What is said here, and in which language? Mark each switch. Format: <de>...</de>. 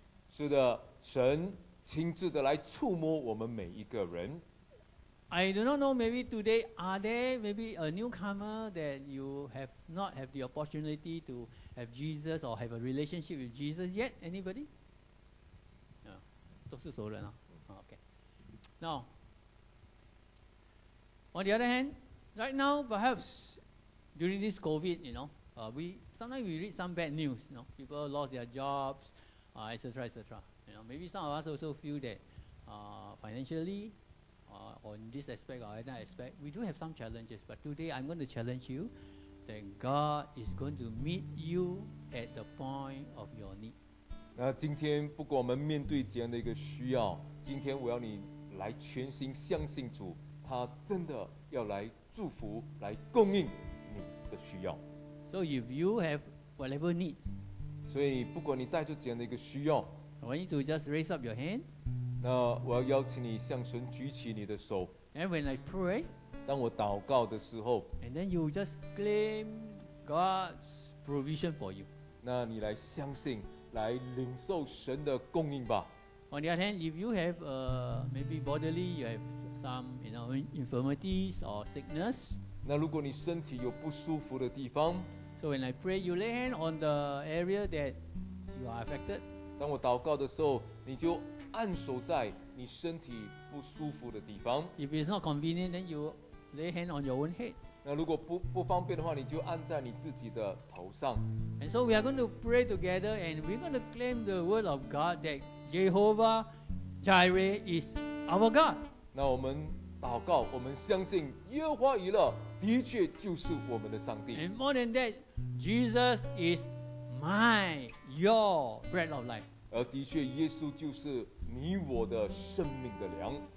<zh>是的，神亲自的来触摸我们每一个人。</zh> <en>I do not know, maybe today, are there maybe a newcomer that you have not had the opportunity to have Jesus or have a relationship with Jesus yet? Anybody?</en> <zh>都是熟人啊、okay.</zh> <en>Now, on the other hand, right now, perhaps during this COVID, you know, sometimes we read some bad news, you know, people lost their jobs, etc. You know, maybe some of us also feel that financially, or in this aspect or that aspect, we do have some challenges, but today I'm going to challenge you that God is going to meet you at the point of your need.</en> <zh>那今天不管我们面对怎样的一个需要，今天我要你来全心相信主，他真的要来祝福，来供应你的需要。</zh> <en>So if you have whatever needs,</en> <zh>所以不管你带着怎样的一个需要</zh> <en>，I want you to just raise up your hand.</en> <zh>那我要邀请你向神举起你的手。</zh> <en>And when I pray,</en> <zh>当我祷告的时候</zh> <en>，And then you just claim God's provision for you.</en> <zh>那你来相信。来领受神的供应吧。</zh> <en>On the other hand, if you have maybe bodily, you have some you know infirmities or sickness.</en> <zh>那如果你身体有不舒服的地方</zh> <en>，So when I pray, you lay hand on the area that you are affected.</en> <zh>当我祷告的时候，你就按手在你身体不舒服的地方。</zh> <en>If it's not convenient, then you lay hand on your own head.</en> <zh>那如果不方便的话，你就按在你自己的头上。</zh> <en>And so we are going to pray together and we're going to claim the word of God that Jehovah Jireh is our God.</en> <zh>那我们祷告，我们相信耶和华以勒的确就是我们的上帝。</zh> <en>And more than that, Jesus is my, your bread of life.</en> <zh>而的确耶稣就是你我的生命的粮。</zh>